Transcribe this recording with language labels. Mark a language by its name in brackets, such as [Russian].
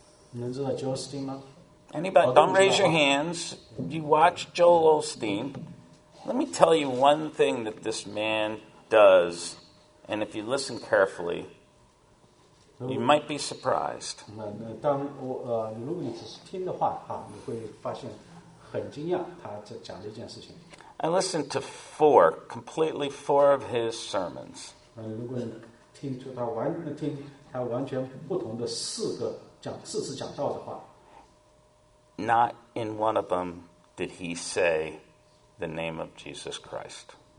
[Chinese] 你知道 Joel Osteen 吗？ [English] Anybody, don't raise your hands. You watch Joel Osteen. Let me tell you one thing that this man does, and if you listen carefully, you might be surprised. [Chinese] 如果你只是听的话，你会发现很惊讶，他讲这件事情。 [English] I listened to four of his sermons. [Chinese] 如果你听出他完全不同的四次讲道的话。 [English] Not in one of them did he say the name of Jesus Christ.